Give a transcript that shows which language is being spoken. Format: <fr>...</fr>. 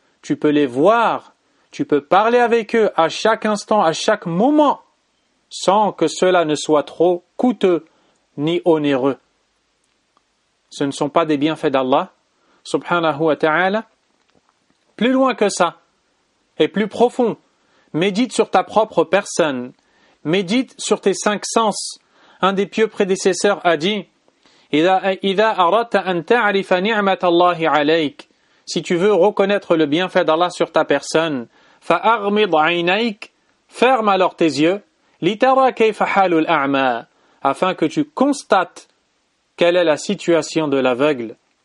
<fr>Tu peux les voir, tu peux parler avec eux à chaque instant, à chaque moment, sans que cela ne soit trop coûteux ni onéreux. Ce ne sont pas des bienfaits d'Allah, subhanahu wa ta'ala. Plus loin que ça et plus profond, médite sur ta propre personne. Médite sur tes cinq sens. Un des pieux prédécesseurs a dit</fr> <ar>إذا أردت أن تعرف نعمة الله عليك.</ar> <fr>Si tu veux reconnaître le bienfait d'Allah sur ta personne,</fr> <ar>فأغمض عينيك.</ar> <fr>Ferme alors tes yeux.</fr> <ar>لترى كيف حال الأعمى.</ar> <fr>Afin que tu constates quelle est la situation de l'aveugle.</fr>